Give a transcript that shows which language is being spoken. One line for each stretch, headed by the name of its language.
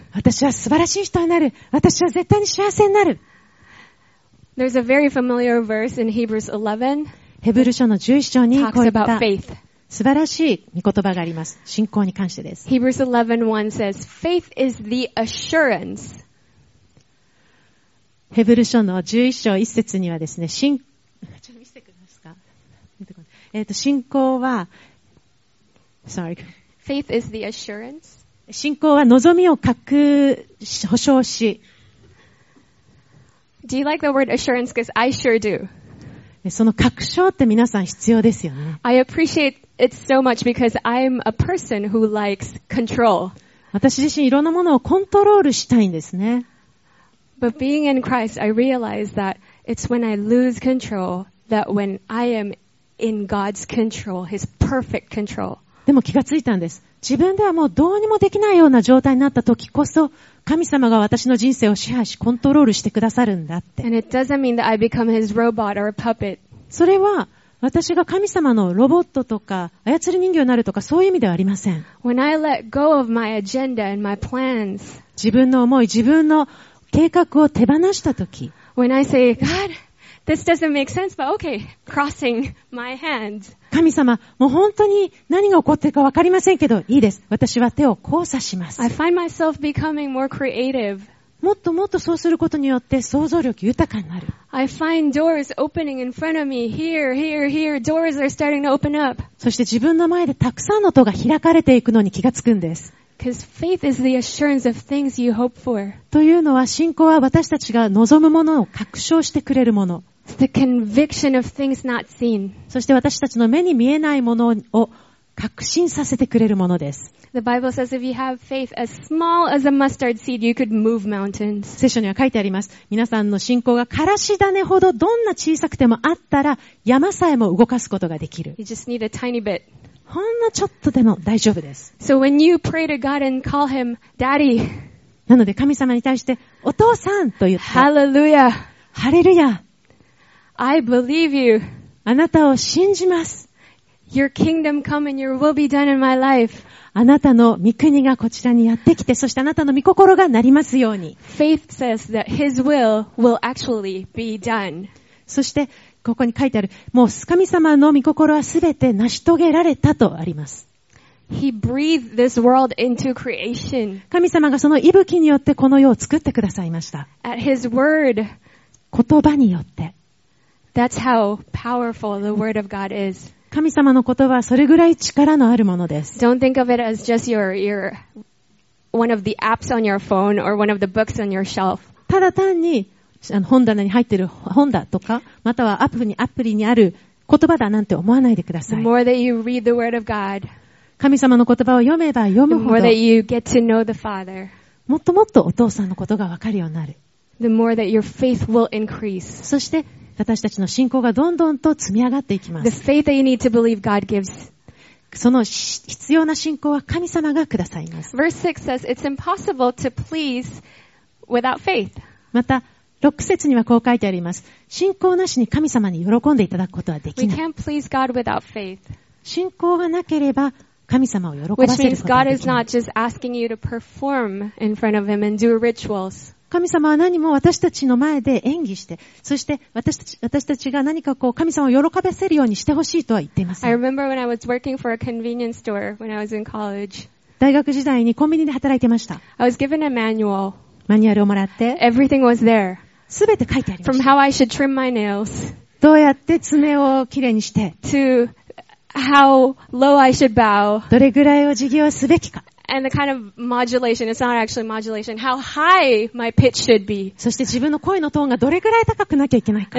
Japanese: 私は素晴らしい人になる。私は絶対に幸せになる。
English: There's a very familiar verse in Hebrews 11.
Japanese: ヘブル書の11章にこういった。
English: Talks about faith.
Japanese: 素晴らしい御言葉があります。信仰に関してです。
English: Hebrews 11:1 says, "Faith is the assurance."
Japanese: ヘブル書の11章1節にはですね、ちょっと見せてくれますか。信仰は、
English: Faith is the assurance.
Japanese: 信仰は望みを確保証し。
English: Do you like the word assurance? Because I sure do.
Japanese: その確証って皆さん必要ですよね。
English: I appreciate it so much because I'm a person who likes control.
Japanese: 私自身いろんなものをコントロールしたいんですね。
English: But being in Christ, I realize that it's when I lose control that when I am in God's control, His perfect control.
Japanese: でも気がついたんです。自分ではもうどうにもできないような状態になった時こそ、神様が私の人生を支配し、コントロールしてくださるんだって。
English: And it doesn't mean that I become His robot or a puppet.
Japanese: それは、私が神様のロボットとか、操り人形になるとか、そういう意味ではありません。
English: When I let go of my agenda and my plans,
Japanese: 自分の思い、自分の計画を手放したとき、
English: When I say, God, this doesn't make sense, but okay, crossing my hands.
Japanese: 神様、もう本当に何が起こっているかわかりませんけど、いいです。私は手を交差します。
English: I find myself becoming more creative.
Japanese: もっともっとそうすることによって想像力豊かになる。
English: I find doors opening in front of me. Here, here, here, doors are starting to open up.
Japanese: そして自分の前でたくさんの戸が開かれていくのに気がつくんです。
English: Because faith is the assurance of things you hope for.
Japanese: というのは信仰は私たちが望むものを確証してくれるもの。
English: It's the conviction of things not seen.
Japanese: そして私たちの目に見えないものを確信させてくれるものです。
English: The Bible says if you have faith as small as a mustard seed, you could move mountains.
Japanese: 聖書には書いてあります。皆さんの信仰がからし種ほどどんな小さくてもあったら山さえも動かすことができる。
English: You just need a tiny bit.
Japanese: ほんのちょっとでも大丈夫です。
English: So when you pray to God and call him daddy,
Japanese: なので神様に対してお父さんと言って、
English: Hallelujah,
Japanese: ハレルヤ、
English: I believe you,
Japanese: あなたを信じます。
English: Your kingdom come and your will be done in my life.
Japanese: あなたの御国がこちらにやってきて、そしてあなたの御心がなりますように。
English: Faith says that His will actually be done.
Japanese: そしてここに書いてある、もう神様の御心はすべて成し遂げられたとあります。
English: He breathed this world into creation.
Japanese: 神様がその息吹によってこの世を作ってくださいました。
English: At His word.
Japanese: 言葉によって。
English: That's how powerful the word of God is.
Japanese: 神様の言葉はそれぐらい力のあるものです。
English: Don't think of it as just your one of the apps on your phone or one of the books on your shelf.
Japanese: ただ単に、本棚に入っている本だとか、またはアプリにある言葉だなんて思わないでください。
English: The more that you read the word of God,
Japanese: 神様の言葉を読めば読むほど、
English: the more that you get to know the Father,
Japanese: もっともっとお父さんのことがわかるようになる。
English: The more that your faith will increase.
Japanese: そして、私たちの信仰がどんどんと積み上がっていきます。
English: The faith that you need to believe God gives.
Japanese: その必要な信仰は神様がくださいます。
English: Verse 6 says, it's impossible to please without faith.
Japanese: また、6節にはこう書いてあります。信仰なしに神様に喜んでいただくことはできない。
English: We can't please God without faith.
Japanese: 信仰がなければ神様を喜ばせることができない。
English: Which means God is not just asking you to perform in front of Him and do rituals.
Japanese: 神様は何も私たちの前で演技して、そして私たちが何かこう神様を喜ばせるようにしてほしいとは言っていません。
English: I remember when I was working for a convenience store when I was in college.
Japanese: 大学時代にコンビニで働いてました。
English: I was given a manual.
Japanese: マニュアルをもらって、
English: Everything was there.
Japanese: すべて書いてありました
English: 。From how I should trim my nails.
Japanese: どうやって爪をきれいにして、
English: To how low I should bow.
Japanese: どれぐらいを授業をすべきか、
English: And the kind of modulation. It's not actually modulation. How high my pitch should be.
Japanese: そして自分の声のトーンがどれぐらい高くなきゃいけないか。